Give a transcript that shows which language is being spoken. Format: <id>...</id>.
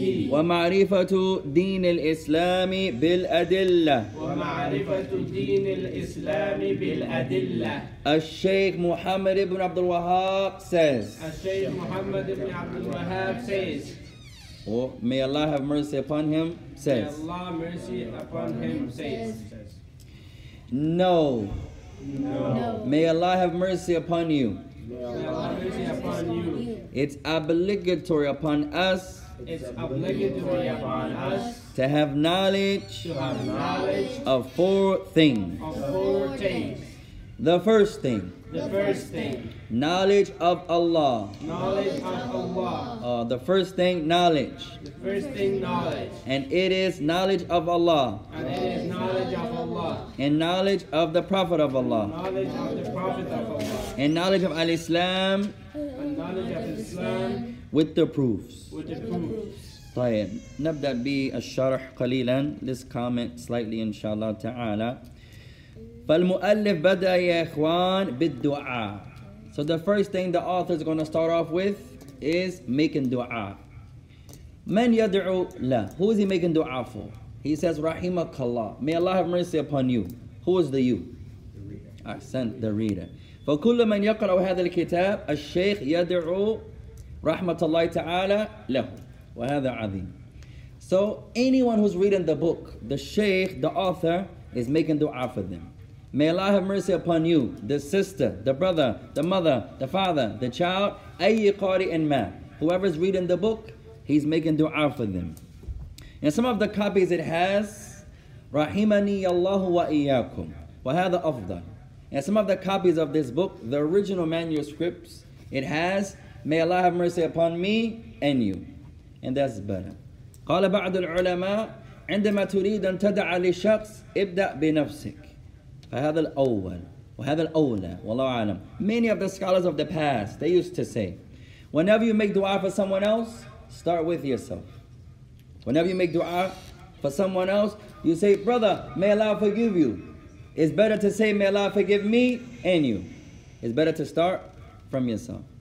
<ar>ومعرفة دين الإسلام بالأدلة. ومعرفة دين الإسلام بالأدلة.</ar> <en>الشيخ محمد بن عبد الوهاب says. الشيخ محمد بن عبد الوهاب says. Oh, may Allah have mercy upon him, says. May Allah mercy upon him, says. No. No. May Allah have mercy upon you. May Allah have mercy upon you. It's obligatory upon us. It's obligatory upon us. To have knowledge. To have knowledge. Of four things. Of four things. The first thing. The first thing. Knowledge of Allah. Knowledge of Allah. The first thing, knowledge. The first thing, knowledge. And it is knowledge of Allah. And it is knowledge of Allah. And knowledge of the Prophet of Allah. Knowledge of the Prophet of Allah. And knowledge of Al-Islam. And knowledge of Islam. With the proofs. With the proofs.</en> <ar>طيب نبدأ بالشرح قليلا.</ar> <en>Let's comment slightly, inshallah ta'ala.</en> <ar>فالمؤلف بدأ يا إخوان بالدعاء.</ar> <en>So the first thing the author is going to start off with is making dua.</en> <ar>من يدعو له?</ar> <en>Who is he making dua for? He says,</en> <ar>رحمك الله.</ar> <en>May Allah have mercy upon you. Who is the you? The reader. Ahsan, the reader.</en> <ar>فكل من يقرأ هذا الكتاب الشيخ يدعو رحمة الله تعالى له. وهذا عظيم.</ar> <en>So anyone who's reading the book, the sheikh, the author, is making dua for them. May Allah have mercy upon you, the sister, the brother, the mother, the father, the child,</en> <ar>أي قارئ ما.</ar> <en>Whoever's reading the book, he's making dua for them. In some of the copies it has,</en> <ar>رحمني الله وإياكم. وهذا أفضل.</ar> <en>In some of the copies of this book, the original manuscripts, it has, may Allah have mercy upon me and you. And that's better.</en> <ar>قال بعض العلماء, عندما تريد أن تدعى لشخص, ابدأ بنفسك. فهذا الأول وهذا الأولى والله أعلم.</ar> <en>Many of the scholars of the past, they used to say, whenever you make dua for someone else, start with yourself. Whenever you make dua for someone else, you say, brother, may Allah forgive you. It's better to say, may Allah forgive me and you. It's better to start from yourself.</en>